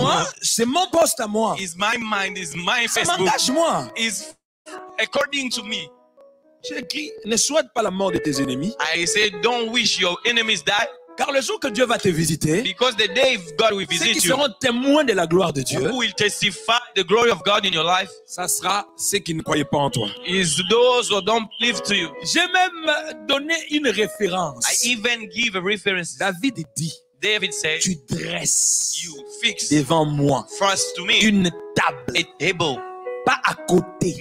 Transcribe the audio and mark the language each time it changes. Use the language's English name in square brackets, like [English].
[French] Moi, c'est mon poste à moi. [English] Is my mind, is my Facebook. [French] Ça m'engage moi. [English] Is according to me. [French] J'ai écrit, ne souhaite pas la mort de tes ennemis. [English] I say, don't wish your enemies die. [French] Car le jour que Dieu va te visiter, [English] because the day God will visit [French] ceux qui seront témoins de la gloire de Dieu, [English] who will testify the glory of God in your life, [French] ça sera ceux qui ne croyaient pas en toi. [English] Is those who don't believe to you. [French] J'ai même donné une référence. [English] I even give a reference. [French] David dit, [English] David said, [French] tu dresses [English] you fix [French] devant moi [English] first to me [French] une table, [English] a table, [French] pas à côté,